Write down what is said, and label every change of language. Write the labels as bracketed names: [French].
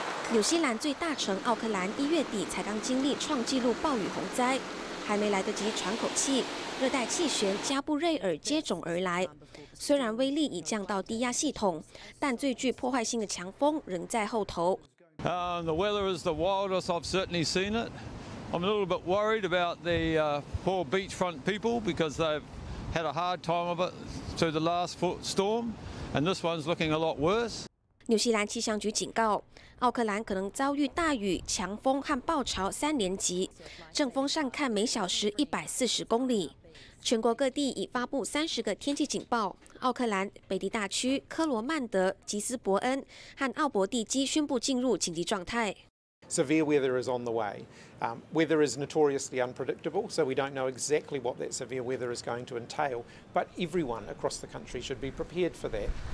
[Chinese] 纽西兰最大城奥克兰1月底才刚经历创纪录暴雨洪灾，还没来得及喘口气，热带气旋加布瑞尔接踵而来。虽然威力已降到低压系统，但最具破坏性的强风仍在后头。 [English] The weather is the wildest I've certainly seen it. I'm a little bit worried about the poor beachfront people because they've had a hard time of it through the last storm, and this one's looking a lot worse. [Chinese] 纽西兰气象局警告，奥克兰可能遭遇大雨、强风和暴潮三连击，阵风上看每小时140公里。全国各地已发布30个天气警报，奥克兰、北地大区、科罗曼德、吉斯伯恩和奥伯蒂基宣布进入紧急状态。 [English] Severe weather is on the way. Weather is notoriously unpredictable, so we don't know exactly what that severe weather is going to entail. But everyone across the country should be prepared for that.